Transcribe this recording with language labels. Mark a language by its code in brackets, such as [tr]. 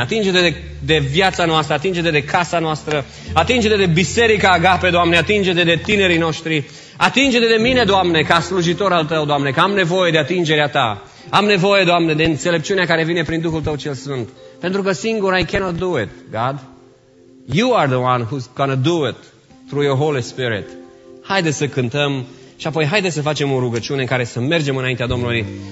[ro] Atinge-ne de viața noastră, atinge-ne de casa noastră, atinge-ne de biserica Agape, Doamne, atinge-ne de tinerii noștri. Atinge-ne de mine, Doamne, ca slujitor al Tău, Doamne, că am nevoie de atingerea Ta. Am nevoie, Doamne, de înțelepciunea care vine prin Duhul Tău cel Sfânt. Pentru că singur, [en] I cannot do it, God. You are the one who's gonna do it through your Holy Spirit. [ro] Haideți să cântăm și apoi haideți să facem o rugăciune în care să mergem înaintea Domnului.